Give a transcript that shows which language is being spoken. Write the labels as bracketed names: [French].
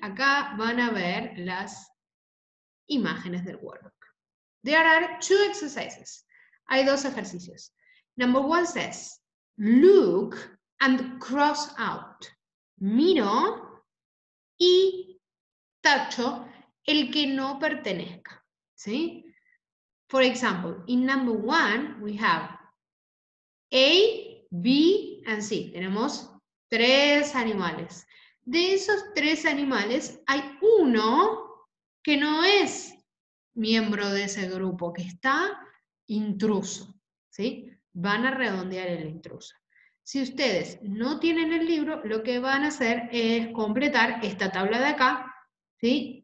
[Spanish] Acá van a ver las imágenes del workbook. [English] There are two exercises. [Spanish] Hay dos ejercicios. [English] Number one says, look and cross out. [Spanish] Miro y tacho el que no pertenezca. ¿Sí? [English] For example, in number one, we have A, B, and C. [Spanish] Tenemos tres animales. De esos tres animales, hay uno que no es miembro de ese grupo, que está intruso. ¿Sí? Van a redondear el intruso. Si ustedes no tienen el libro, lo que van a hacer es completar esta tabla de acá, ¿sí?